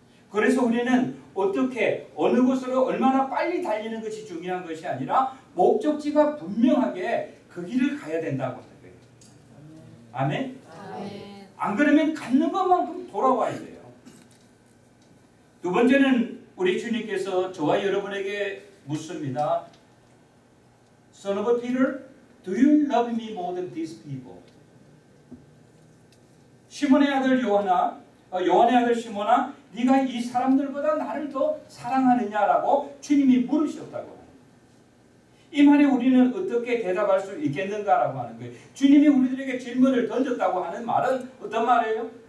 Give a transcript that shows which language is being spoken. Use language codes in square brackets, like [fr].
[ko] 그래서 우리는 어떻게 어느 곳으로 얼마나 빨리 달리는 것이 중요한 것이 아니라 목적지가 분명하게 그 길을 가야 된다고 하는 거예요. 아멘? 안 그러면 갖는 것만큼 돌아와야 돼요. 두 번째는 우리 주님께서 저와 여러분에게 묻습니다. [en] Son of Peter, do you love me more than these people? [ko] 시몬의 아들 요한아, 요한의 아들 시몬아, 네가 이 사람들보다 나를 더 사랑하느냐라고 주님이 물으셨다고. 이 말에 우리는 어떻게 대답할 수 있겠는가라고 하는 거예요. 주님이 우리들에게 질문을 던졌다고 하는 말은 어떤 말이에요?